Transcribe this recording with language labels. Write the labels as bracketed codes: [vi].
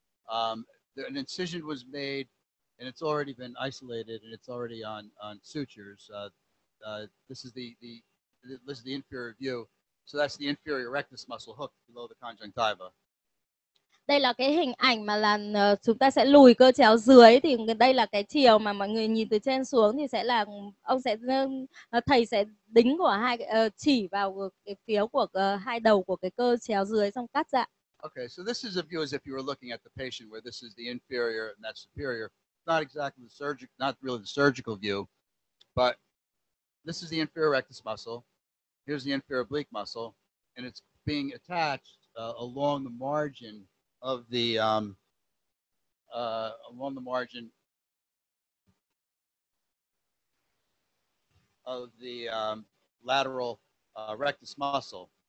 [en] An incision was made and it's already been isolated and it's already on sutures. This is the inferior view. So that's the inferior rectus muscle hooked below the conjunctiva. [vi] Đây là cái hình ảnh mà là chúng ta sẽ lùi cơ chéo dưới, thì đây là cái chiều mà mọi người nhìn từ trên xuống, thì sẽ là ông sẽ thầy sẽ đính của hai chỉ vào cái phía của hai đầu của cái cơ chéo dưới xong cắt ra. [en] Okay, so this is a view as if you were looking at the patient, where this is the inferior and that's superior. Not exactly the surgical, not really the surgical view, but this is the inferior rectus muscle. Here's the inferior oblique muscle, and it's being attached along the margin of the along the margin of the lateral rectus muscle.